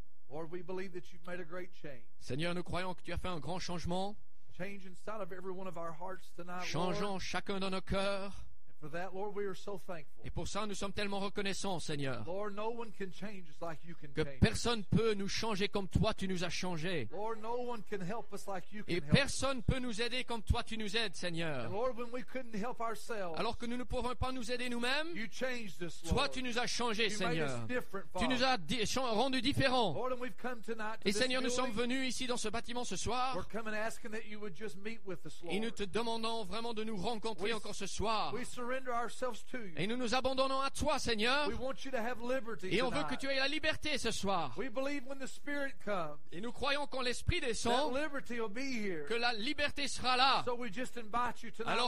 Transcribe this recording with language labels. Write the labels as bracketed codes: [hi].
[en] Lord, we believe that you've made a great change. [fr] Seigneur, nous croyons que tu as fait un grand changement. [en] Change inside of every one of our hearts tonight, [fr] changeons [en] Lord. [fr] Chacun dans nos cœurs. [en] And for that, Lord, we are so thankful. [fr] Et pour ça, nous sommes tellement reconnaissants, Seigneur. [en] Lord, no one can change us like you can change. [fr] Que personne peut nous changer comme toi tu nous as changé. [en] Lord, no one can help us like you can [fr] help. Et personne peut nous aider comme toi tu nous aides, Seigneur. [en] And Lord, when we couldn't help ourselves. [fr] Alors que nous ne pouvons pas nous aider nous-mêmes. [en] You changed us, Lord. [fr] Toi tu nous as changé, [en] you [fr] Seigneur. [en] Made us different, Father. [fr] Tu nous as rendu différents. [en] Lord, and we've come tonight to [fr] Et Seigneur, [en] this [fr] nous sommes venus ici dans ce bâtiment ce soir. [en] We're coming asking that you would just meet with us, Lord. [fr] Et nous te demandons vraiment de nous rencontrer encore ce soir. [en] Surrender ourselves to you. [fr] Et nous nous abandonnons à toi, Seigneur. [en] We want you to have liberty [fr] Et on [en] tonight. [fr] Veut que tu aies la liberté ce soir. [en] We believe when the Spirit comes, [fr] Et nous croyons quand l'Esprit descend, [en] that liberty will be here. [fr] Que la liberté sera là. [en] So we just invite you tonight,